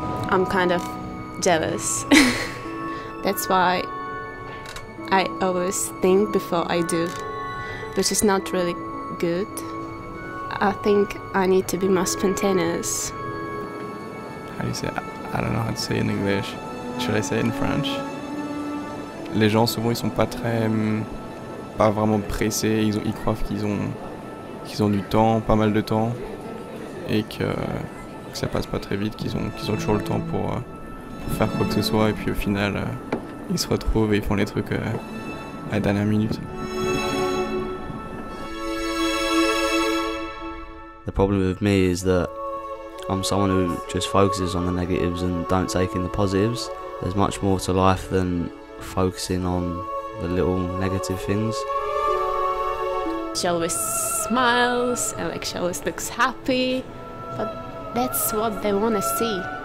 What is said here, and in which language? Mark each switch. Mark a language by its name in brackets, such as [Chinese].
[English] I'm kind of jealous. That's why I always think before I do, which is not really good. I think I need to be more spontaneous. How do you say it? I don't know how to say it in English. Should I say it in French? [French] Les gens souvent ils sont pas très pas vraiment pressés, ils croient qu'ils ont du temps, pas mal de temps, et que ça passe pas très vite, qu'ils ont toujours le temps pour faire quoi que ce soit, et puis au final ils se retrouvent et ils font les trucs à la dernière minute. [English] The problem with me is that I'm someone who just focuses on the negatives and don't take in the positives. There's much more to life than focusing on the little negative things. She always smiles and like she always looks happy, but that's what they want to see.